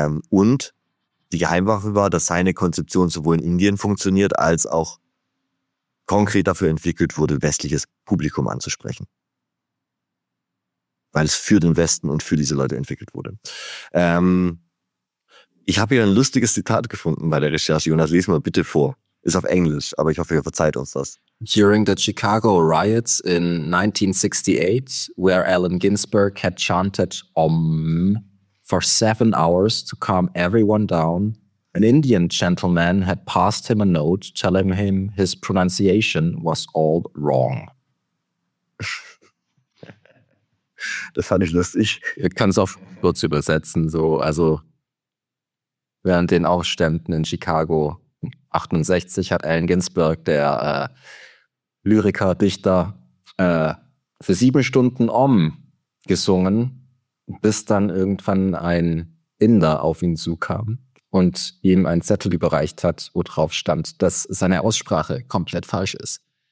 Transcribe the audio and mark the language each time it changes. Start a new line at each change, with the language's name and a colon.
German: Und die Geheimwaffe war, dass seine Konzeption sowohl in Indien funktioniert, als auch konkret dafür entwickelt wurde, westliches Publikum anzusprechen. Weil es für den Westen und für diese Leute entwickelt wurde. Ich habe hier ein lustiges Zitat gefunden bei der Recherche. Jonas, lese mal bitte vor. Ist auf Englisch, aber ich hoffe, ihr verzeiht uns das.
English: During the Chicago riots in 1968, where Allen Ginsberg had chanted Om for 7 hours to calm everyone down, an Indian gentleman had passed him a note telling him his pronunciation was all wrong.
German: Das fand ich lustig. Ihr könnt es auf kurz übersetzen. So, also während den Aufständen in Chicago 68 hat Allen Ginsberg, der Lyriker, Dichter, für 7 Stunden Om gesungen, bis dann irgendwann ein Inder auf ihn zukam und ihm einen Zettel überreicht hat, wo drauf stand, dass seine Aussprache komplett falsch ist.